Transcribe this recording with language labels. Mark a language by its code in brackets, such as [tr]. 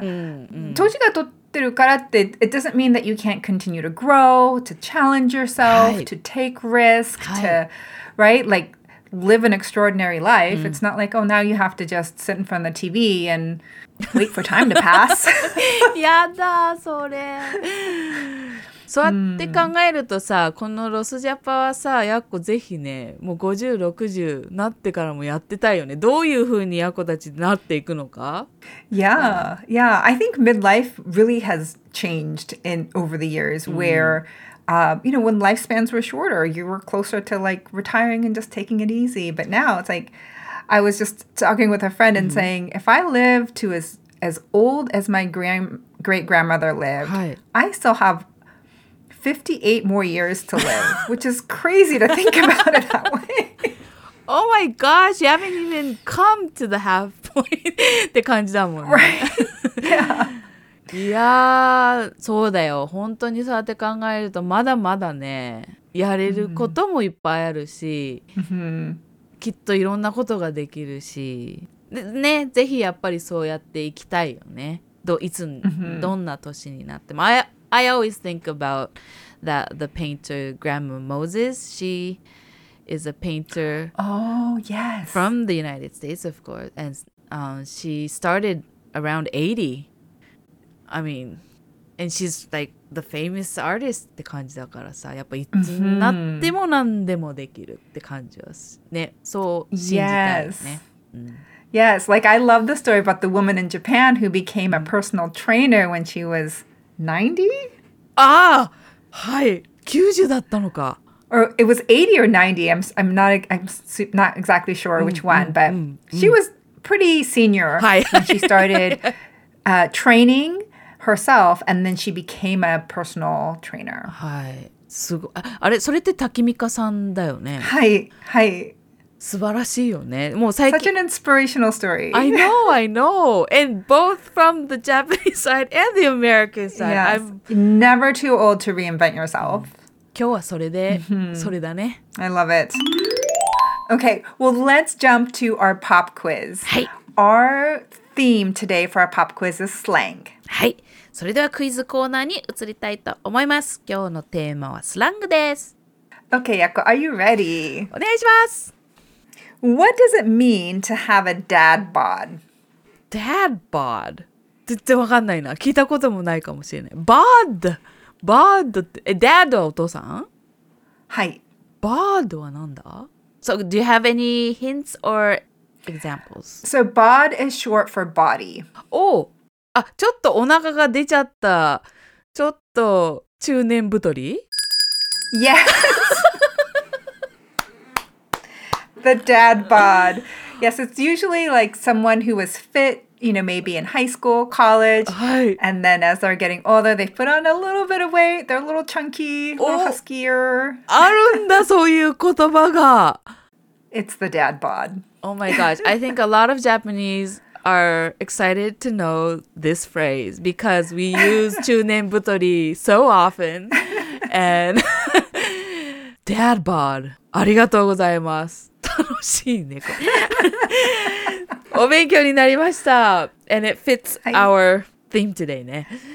[en] It doesn't mean that you can't continue to grow, to challenge yourself, to take risk, to, right? Like live an extraordinary life. It's not like, oh, now you have to just sit in front of the TV and wait for time to pass. [ja] やだ、それ。そうやって考えるとさ、このロスジャパはさ、ヤッコぜひね、もう50、60なってからもやってたいよね。どういうふうにヤッコたちになっていくのか？ [en] Yeah, yeah. I think midlife really has changed in over the years where, you know, when lifespans were shorter, you were closer to like retiring and just taking it easy. But now it's like, I was just talking with a friend and saying, if I live to as old as my great-grandmother lived, I still have 58 more years to live, which is crazy to think about it that way. Oh my gosh, you haven't even come to the half point. [ja] って感じだもんね。 [en] Right. Yeah. [ja] いやー、そうだよ。本当にそうやって考えると、まだまだね、やれることもいっぱいあるし、きっといろんなことができるし、ね、ぜひやっぱりそうやっていきたいよね。どんな年になっても。 [en] I always think about that the painter Grandma Moses. She is a painter. Oh, yes. From the United States, of course. And she started around 80. I mean, and she's like the famous artist [ja] って感じだからさ、やっぱいつになっても何でもできるって感じはね、そう信じたいよね。 [en] Yes, like I love the story about the woman in Japan who became a personal trainer when she was 90? [ja] ああ、はい、90だったのか。 [en] or it was 80 or 90. I'm not exactly sure which one, but she was pretty senior when she started training herself, and then she became a personal trainer. Hi. [ja] すごい。あれ、それってタキミカさんだよね。はい、はい。素晴らしいよね。もう最近。 [en] Such an inspirational story. I know, I know. And both from the Japanese side and the American side. Yes. Never too old to reinvent yourself. [ja] 今日はそれで、それだね。 [en] I love it. Okay, well, let's jump to our pop quiz. [ja] はい。 [en] Our theme today for our pop quiz is slang. [ja] はい。それではクイズコーナーに移りたいと思います。今日のテーマはスラングです。 [en] Okay, Yako, are you ready? [ja] お願いします。 [en] What does it mean to have a dad bod? [ja] Dad bod? 絶対わかんないな。聞いたこともないかもしれない。 Bod! Bod って、え、dad はお父さん？はい。 Bod はなんだ？ [en] So, do you have any hints or examples? So, bod is short for body. Oh! [ja] あ、ちょっとお腹が出ちゃった。ちょっと中年太り？ [en] Yes! The dad bod. Yes, it's usually like someone who was fit, you know, maybe in high school, college. [ja] はい。 [en] And then as they're getting older, they put on a little bit of weight. They're a little chunky, a little huskier. [ja] あるんだ、そういう言葉が。 [en] It's the dad bod. Oh my gosh. I think a lot of Japanese... are excited to know this phrase because we use 中年太りso often and dad bod [ja] ありがとうございます楽しいねこれお勉強になりました [en] and it fits our theme today ね